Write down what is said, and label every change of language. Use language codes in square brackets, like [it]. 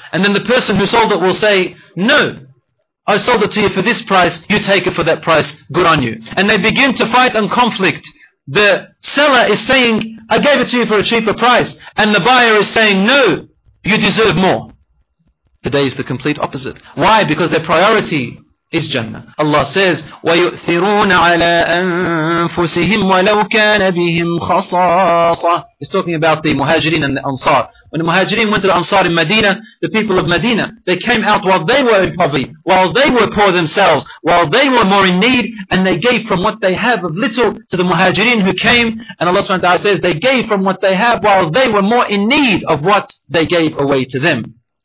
[en] And then the person who sold it will say, no, I sold it to you for this price, you take it for that price, good on you. And they begin to fight and conflict. The seller is saying, I gave it to you for a cheaper price. And the buyer is saying, no, you deserve more. Today is the complete opposite. Why? Because their priority is Jannah. Allah says, [ar] وَيُؤْثِرُونَ عَلَىٰ أَنفُسِهِمْ وَلَوْ كَانَ بِهِمْ خَصَاصَةٌ. [en] He's talking about the Muhajirin and the Ansar. When the Muhajirin went to the Ansar in Medina, the people of Medina, they came out while they were in poverty, while they were poor themselves, while they were more in need, and they gave from what they have of little to the Muhajirin who came. And Allah subhanahu wa ta'ala says, they gave from what they have while they were more in need of what they gave away to them.